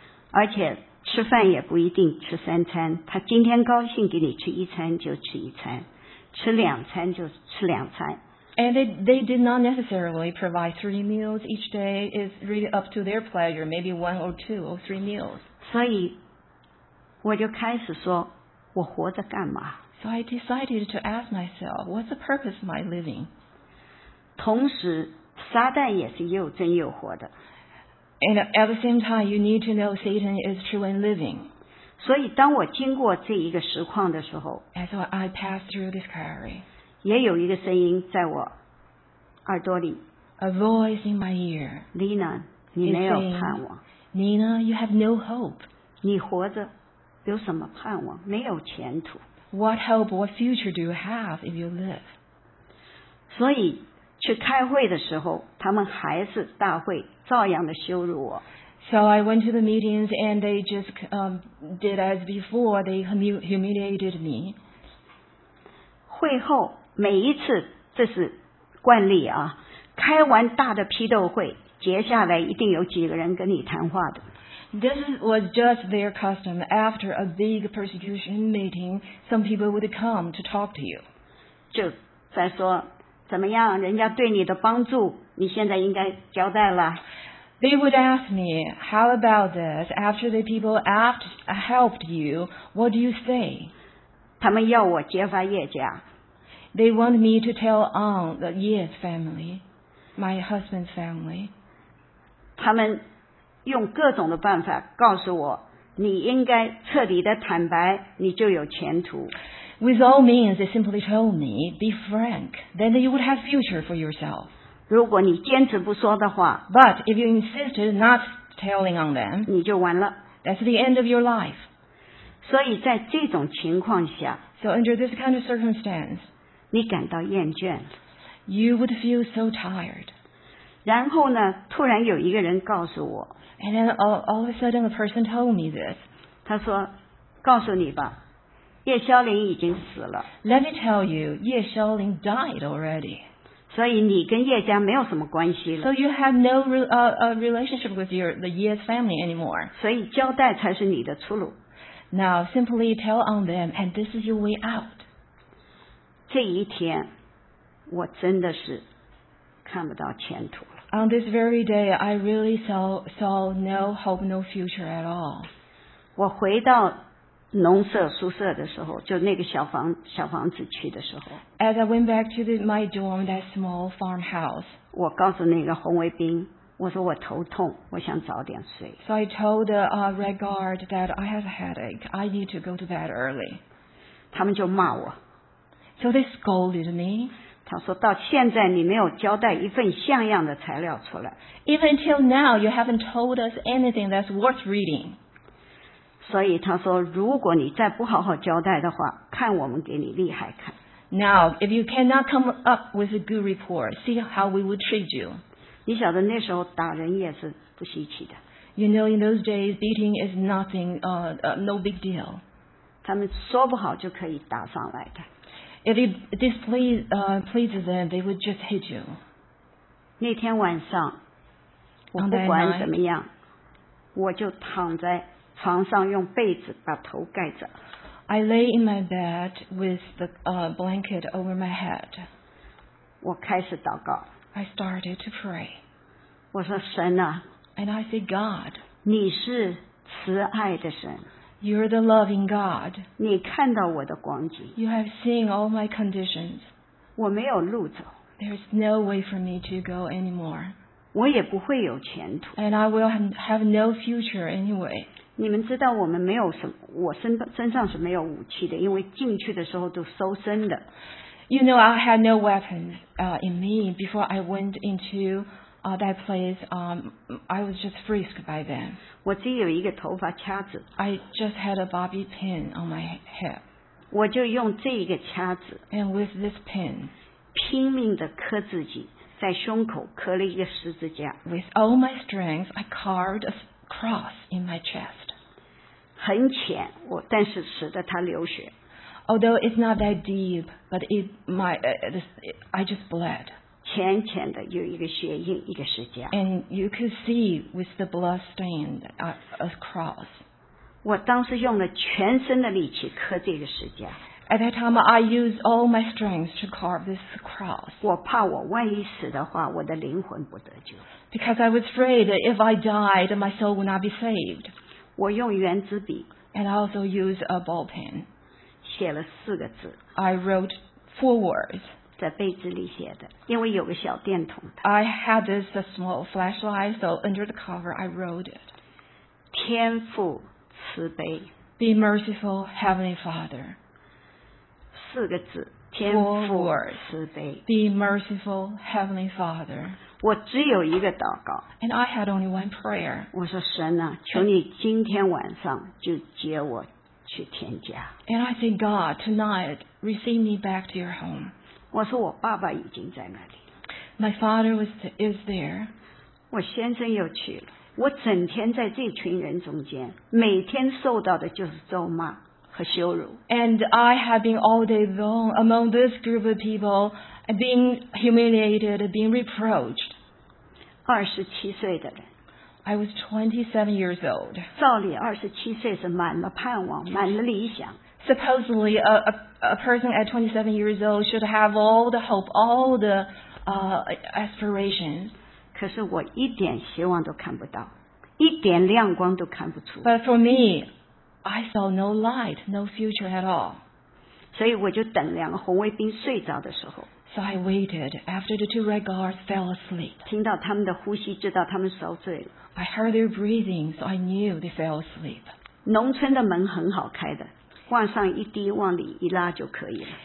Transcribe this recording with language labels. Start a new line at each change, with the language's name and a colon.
Chinese: 而且吃饭也不一定吃三餐，他今天高兴给你吃一餐就吃一餐，吃两餐就吃两餐。
English: And they did not necessarily provide three meals each day. It's really up to their pleasure, maybe one or two or three meals.
Chinese: 所以我就开始说，我活着干嘛
English: ？So I decided to ask myself, what's the purpose of my living?
Chinese: 同时，撒旦也是又真又活的。
English: And at the same time, you need to know Satan is true and living.
Chinese: 所以当我经过这一个石矿的时候
English: ，As I passed through this quarry,
Chinese: 也有一个声音在我耳朵里
English: ，A voice in my ear,
Chinese: Nina, 你没有盼望
English: ，Nina, you have no hope.
Chinese: 你活着有什么盼望？没有前途。
English: What hope, what future do you have if you live?
Chinese: 所以。去开会的时候，他们还是大会，照样的羞辱我。
English: So I went to the meetings and they just did as before. They humiliated me.
Chinese: 会后每一次，这是惯例啊。开完大的批斗会，接下来一定有几个人跟你谈话的。
English: This was just their custom. After a big persecution meeting, some people would come to talk to you.
Chinese: 就再说怎么样人家对你的帮助你现在应该交代了。
English: They would ask me, how about this? After the people helped you, what do you say?
Chinese: 他们要我揭发叶家。
English: They want me to tell on the Ye's family, my husband's family.
Chinese: 他们用各种的办法告诉我你应该彻底的坦白你就有前途。
English: With all means, they simply told me, be frank, then you would have future for yourself.
Chinese: 如果你坚持不说的话
English: But if you insisted not telling on them
Chinese: 你就完了
English: That's the end of your life
Chinese: 所以在这种情况下
English: So under this kind of circumstance
Chinese: 你感到厌倦
English: You would feel so tired
Chinese: 然后呢突然有一个人告诉我
English: And then all of a sudden a person told me this
Chinese: 他说告诉你吧叶肖玲已经死了
English: Let me tell you 叶肖玲 died already
Chinese: 所以你跟叶家没有什么关系了。
English: So you have no relationship with the Ye's family anymore.
Chinese: 所以交代才是你的出路。
English: Now simply tell on them, and this is your way out.
Chinese: 这一天，我真的是看不到前途了。
English: On this very day, I really saw no hope, no future at all.
Chinese: 我回到农舍宿舍的时候，就那个小房子去的时候。
English: As I went back to my dorm, that small farmhouse,
Chinese: 我告诉那个红卫兵，我说我头痛，我想早点睡。
English: So I told the Red Guard that I have a headache. I need to go to bed early.
Chinese: 他们就骂我。
English: So they scolded me.
Chinese: 他说到现在你没有交代一份像样的材料出来。
English: Even until now, you haven't told us anything that's worth reading.
Chinese: 所以他说如果你再不好好交代的话看我们给你厉害看
English: Now, if you cannot come up with a good report see how we would treat you
Chinese: 你晓得那时候打人也是不稀奇的
English: You know, in those days, beating is nothing, no big deal
Chinese: 他们说不好就可以打上来的
English: If it displeases them, they would just hit you
Chinese: 那天晚上我不管怎么样我就躺在床上用被子把头盖着。
English: I lay in my bed with the blanket over my head.
Chinese: 我开始祷告。
English: I started to pray.
Chinese: 我说神啊。
English: And I say God.
Chinese: 你是慈爱的神。
English: You're the loving God.
Chinese: 你看到我的光景。
English: You have seen all my conditions.
Chinese: 我没有路走。
English: There's no way for me to go anymore.
Chinese: 我也不会有前途。
English: And I will have no future anyway.
Chinese: 你们知道我们没有什么，我身上是没有武器的，因为进去的时候都搜身的。
English: You know, I had no weapon in me before I went into that place. I was just frisked by them.
Chinese: 我只有一个头发卡子。
English: I just had a bobby pin on my head.
Chinese: 我就用这一个卡子。
English: And with this pin,
Chinese: 拼命地磕自己，在胸口磕了一个十字架。
English: With all my strength, I carved a cross in my chest
Chinese: 很浅我但是使得他流血
English: although it's not that deep but it might I just bled
Chinese: 浅浅的有一个血印一个十字架
English: and you could see with the blood stain a cross
Chinese: 我当时用了全身的力气刻这个十字架
English: at that time I used all my strength to carve this cross
Chinese: 我怕我万一死的话我的灵魂不得救
English: Because I was afraid that if I died, my soul would not be saved.
Chinese: 我用圆珠笔
English: And I also used a ball pen.
Chinese: 写了四个字
English: I wrote four words.
Chinese: 在被子里写的因为有个小电筒
English: I had this small flashlight, so under the cover, I wrote it.
Chinese: 天父慈悲
English: Be merciful, Heavenly Father.
Chinese: 四个字天父
English: Four words.
Chinese: 慈悲
English: Be merciful, Heavenly Father.
Chinese: 我只有一个祷告
English: And I had only one prayer
Chinese: 我说神啊求你今天晚上就接我去天家
English: And I said God tonight receive me back to your home
Chinese: 我说我爸爸已经在那里
English: My father is there
Chinese: 我先生又去了我整天在这群人中间每天受到的就是咒骂和羞辱
English: And I have been all day long among this group of peopleBeing humiliated, being reproached.
Chinese: 27 岁的人
English: I was 27 years old.
Chinese: 照理27岁是满了盼望满了理想
English: supposedly a person at 27 years old should have all the hope, all the aspirations.
Chinese: 可是我一点希望都看不到，一点亮光都看不出。
English: But for me, I saw no light, no future at all.
Chinese: 所以我就等两个红卫兵睡着的时候。
English: So I waited after the two Red Guards fell asleep.
Chinese: 听到他们的呼吸，知道他们熟睡了。
English: I heard their breathing, so I knew they fell asleep.
Chinese: 农村的门很好开的，挂上一滴，往里一拉就可以了。